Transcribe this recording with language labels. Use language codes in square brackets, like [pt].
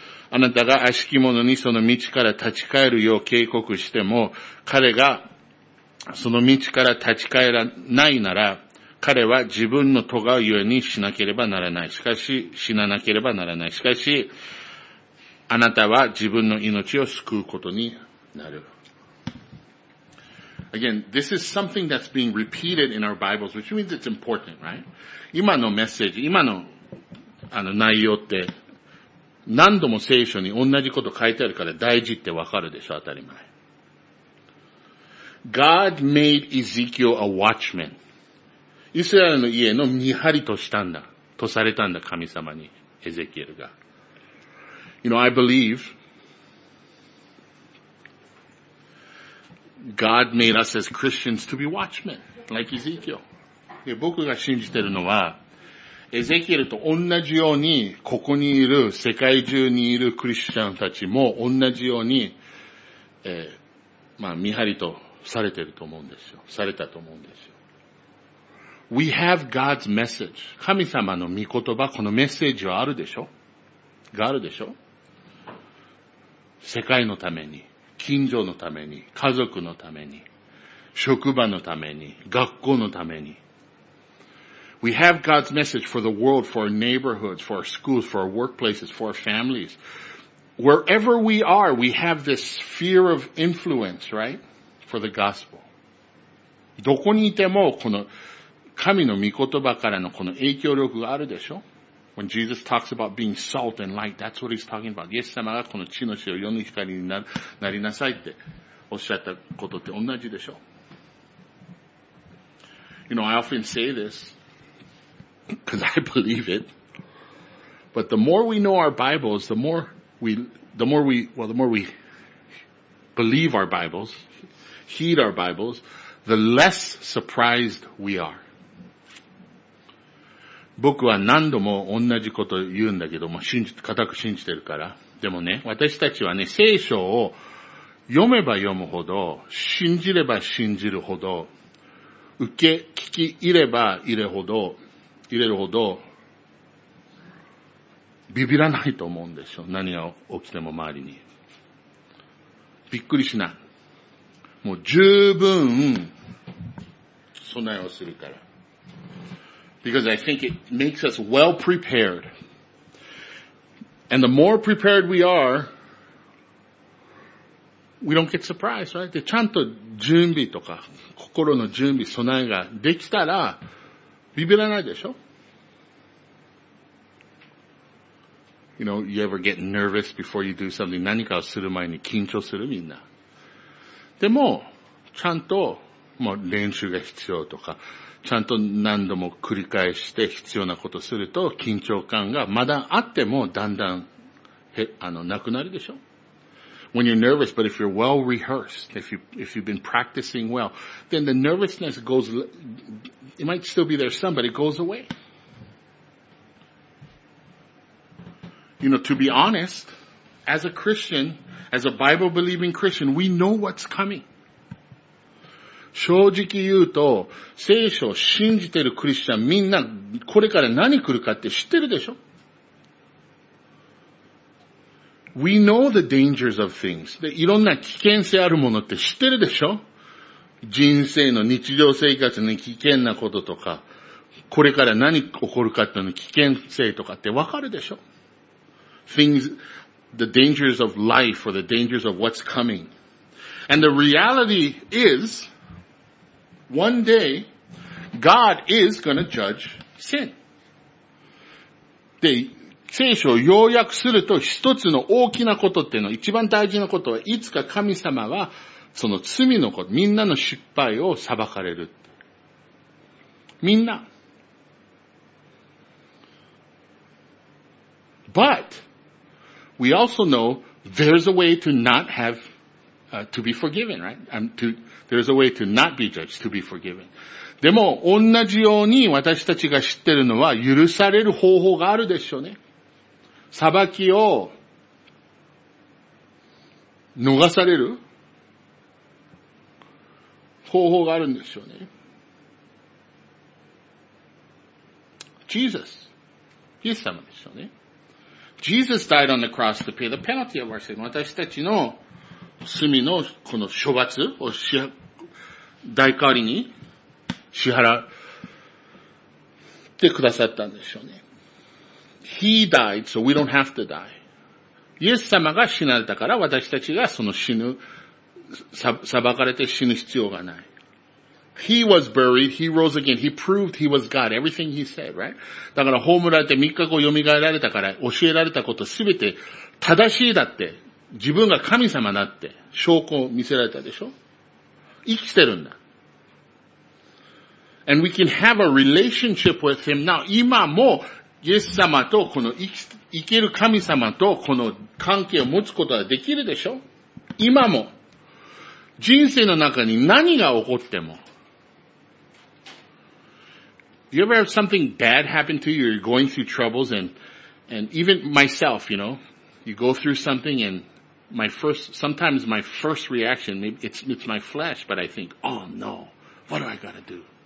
[ja] あなたが悪しき者にその道から立ち返るよう警告しても、彼がその道から立ち返らないなら、彼は自分の咎をゆえに死なければならない。しかし、死ななければならない。しかし、あなたは自分の命を救うことになる。 [en] Again, this is something that's being repeated in our Bibles, which means it's important, right? [ja] 今のメッセージ、今の、内容って、何度も聖書に同じこと書いてあるから大事ってわかるでしょ、当たり前。 [en] God made Ezekiel a watchman. [ja] イスラエルの家の見張りとしたんだ。とされたんだ、神様に、エゼキエルが。 [en] You know, I believe God made us as Christians to be watchmen, like Ezekiel. [ja] で、僕が信じてるのは、エゼキエルと同じように、ここにいる、世界中にいるクリスチャンたちも同じように、見張りとされてると思うんですよ。されたと思うんですよ。 [en] We have God's message. [ja] 神様の御言葉、このメッセージはあるでしょ？があるでしょ？世界のために、近所のために、家族のために、職場のために、学校のために。 [en] We have God's message for the world, for our neighborhoods, for our schools, for our workplaces, for our families. Wherever we are, we have this sphere of influence, right? For the gospel. [ja] どこにいてもこの神の御言葉からのこの影響力があるでしょ。 [en] When Jesus talks about being salt and light, that's what he's talking about. [ja] イエス様がこの地の塩、世の光になりなさいっておっしゃったことって同じでしょ。 [en] You know, I often say this, because I believe it. But the more we know our Bibles, the more we believe our Bibles, heed our Bibles, the less surprised we are. [ja] 僕は何度も同じこと言うんだけども、固く信じてるから。でもね、私たちはね、聖書を読めば読むほど、信じれば信じるほど、受け、聞き入れば入れるほど、ビビらないと思うんでしょ。何が起きても周りに。びっくりしない。もう十分、備えをするから。 [en] Because I think it makes us well prepared. And the more prepared we are, we don't get surprised, right? [ja] ちゃんと準備とか、心の準備、備えができたら、ビビらないでしょ? [en] You know, you ever get nervous before you do something? [ja] 何かをする前に緊張するみんな。でも、ちゃんと、もう練習が必要とか、ちゃんと何度も繰り返して必要なことすると、緊張感がまだあっても、だんだん、なくなるでしょ? [en] When you're nervous, but if you're well rehearsed, if you've been practicing well, then the nervousness goes, it might still be there some, but it goes away. You know, to be honest, as a Christian, as a Bible-believing Christian, we know what's coming. [ja] 正直言うと、聖書を信じてるクリスチャンみんなこれから何来るかって知ってるでしょ? [en] We know the dangers of things. で、 [ja] いろんな危険性あるものって知ってるでしょ?人生の日常生活に危険なこととか、これから何起こるかっていうの危険性とかってわかるでしょ? [en] Things, the dangers of life or the dangers of what's coming. And the reality is,One day, God is gonna judge sin. [ja] で、聖書を要約すると一つの大きなことっていうの、一番大事なことは、いつか神様はその罪のこと、みんなの失敗を裁かれる。みんな。 [en] But, we also know there's a way to not haveto be forgiven, right? There's a way to not be judged, to be forgiven. [ja] でも、同じように私たちが知ってるのは、許される方法があるでしょうね。裁きを逃される方法があるんでしょうね。 Jesus. イエス様でしょうね。 [en] Jesus died on the cross to pay the penalty of our sin. [ja] 私たちの罪のこの処罰を代わりに支払ってくださったんでしょうね。 [en] He died, so we don't have to die. [ja] イエス様が死なれたから私たちがその死ぬ、裁かれて死ぬ必要がない。 [en] He was buried, he rose again, he proved he was God, everything he said, right? [ja] だから葬られて3日後蘇られたから教えられたことすべて正しいだって。自分が神様だって証拠を見せられたでしょ? 生きてるんだ。 [en] And we can have a relationship with him now. [ja] 今も、イエス様とこの生ける神様とこの関係を持つことができるでしょ? 今も、人生の中に何が起こっても。 [en] You ever have something bad happen to you? You're going through troubles and even myself, you know, you go through something andSometimes my first reaction, maybe it's my flesh, but I think, oh no, what do I gotta do?